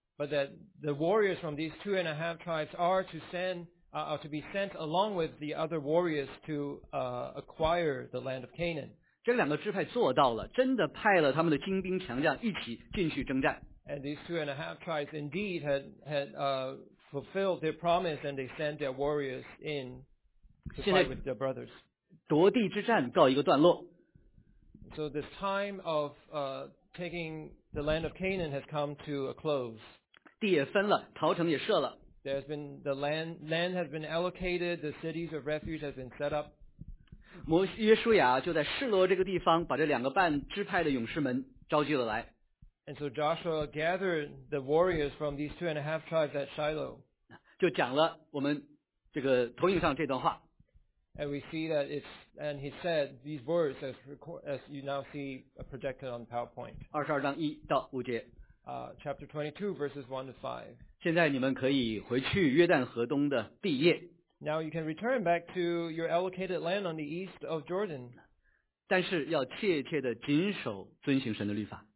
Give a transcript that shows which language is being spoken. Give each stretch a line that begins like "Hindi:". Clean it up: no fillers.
English: But that the warriors from these two and a half tribes are to send, to be sent along with the other warriors to, acquire the land of Canaan.
Chinese: 这两个支派做到了，真的派了他们的精兵强将一起进去征战。
English: And these two and a half tribes indeed had fulfilled their promise, and they sent their warriors in to fight with their brothers.
Chinese: 夺地之战告一个段落。
English: So this time of taking the land of Canaan has come to a close.
Chinese: 地也分了，逃城也设了。
English: There's been the land has been allocated, the cities of refuge has been set up.
Chinese: 约书亚就在示罗这个地方把这两个半支派的勇士们召集了来。
English: And so Joshua gathered the warriors from these two and a half tribes at Shiloh.
Chinese: 就讲了我们这个投影上这段话。
English: And we see that it's, and he said these words as you now see projected on the PowerPoint.
Chinese: 22章1到5节。
English: Chapter 22, verses 1 to 5.
Chinese: 现在你们可以回去约旦河东的地业。
English: Now you can return back to your allocated land on the east of Jordan.
Chinese: 但是要切切地谨守遵行神的律法。